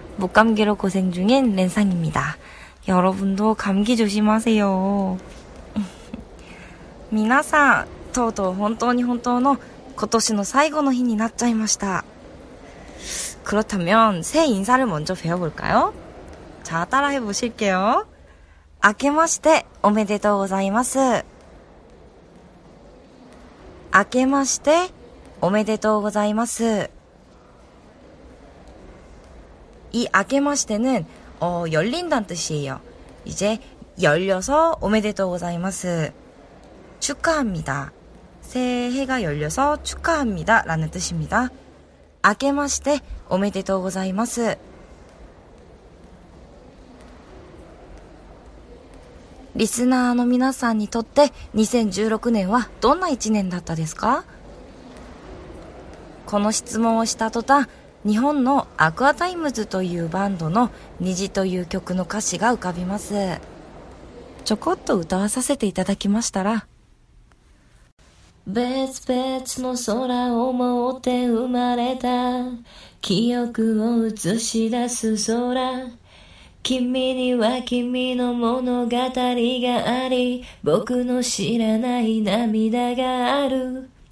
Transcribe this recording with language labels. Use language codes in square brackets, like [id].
[ko] 목감기로 고생 중인 렌상입니다. 여러분도 감기 조심하세요. [ja] 皆さん, 또 本当に本当の 今年の最後の日になっちゃいました. [ko] 그렇다면 새 인사를 먼저 배워볼까요? 자, 따라해보실게요. [ja] 아케마시테 오메데토 고자이마스. 아케마시테 오메데토 고자이마스. [ko] 이 아케마시테는 열린다는 뜻이에요. 이제 열려서 [ja] 오메데토 고자이마스. [ko] 축하합니다. 새해가 열려서 축하합니다 라는 뜻입니다. [ja] 아케마시테 오메데토 고자이마스. 리스너の皆さんにとって 2016년은 どんな1年だったですか? この質問をした途端 日本のアクアタイムズというバンドの虹という曲の歌詞が浮かびます。ちょこっと歌わさせていただきましたら、 別々の空を持って生まれた記憶を映し出す空、君には君の物語があり僕の知らない涙がある。